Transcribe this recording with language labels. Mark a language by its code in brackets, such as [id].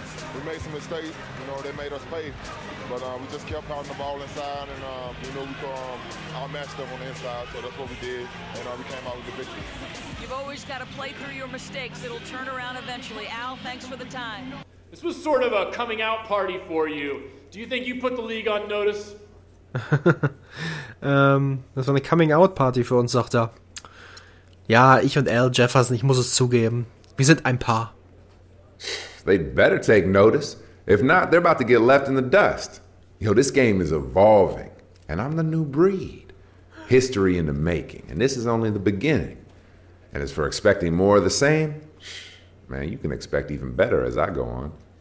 [en] We made some mistakes, you know, they made us pay, but we just kept pounding the ball inside and you know, we outmatched them on the inside, so that's what we did and we came out with the victory. You've always got to play through your mistakes, it'll turn around eventually. Al, thanks for the time. This was sort of a coming out party for you. Do you think you put the league on notice? [de] Das war eine Coming out Party für uns, sagt er. Ja, ich und Al Jefferson, ich muss es zugeben. Wir sind ein Paar. [en] They better take notice. If not, they're about to get left in the dust. You know, this game is evolving. And I'm the new breed. History in the making. And this is only the beginning. And as for expecting more of the same, man, you can expect even better as I go on.